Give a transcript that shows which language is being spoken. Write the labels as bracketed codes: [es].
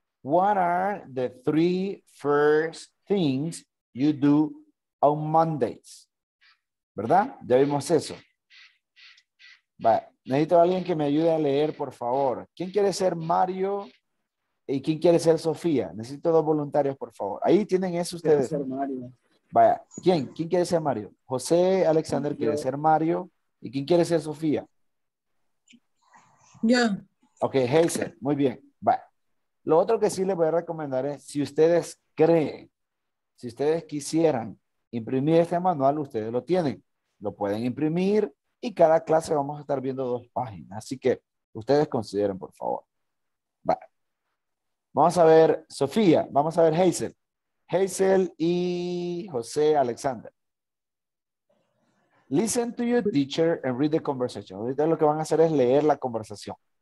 [en] What are the three first things you do on Mondays? [es] ¿Verdad? Ya vimos eso. Va. Necesito a alguien que me ayude a leer, por favor. ¿Quién quiere ser Mario y quién quiere ser Sofía? Necesito dos voluntarios, por favor. Ahí tienen eso ustedes. Quiero ser Mario. Vaya, ¿quién? ¿Quién quiere ser Mario? José Alexander quiere ser Mario. ¿Y quién quiere ser Sofía? Yo. Ok, Hazel, muy bien. Va. Lo otro que sí les voy a recomendar es, si ustedes creen, si ustedes quisieran imprimir este manual, ustedes lo tienen. Lo pueden imprimir y cada clase vamos a estar viendo dos páginas. Así que ustedes consideren, por favor. Va. Vamos a ver Sofía, vamos a ver Hazel. Hazel y José Alexander. [en] Listen to your teacher and read the conversation. [es] Ahorita lo que van a hacer es leer la conversación.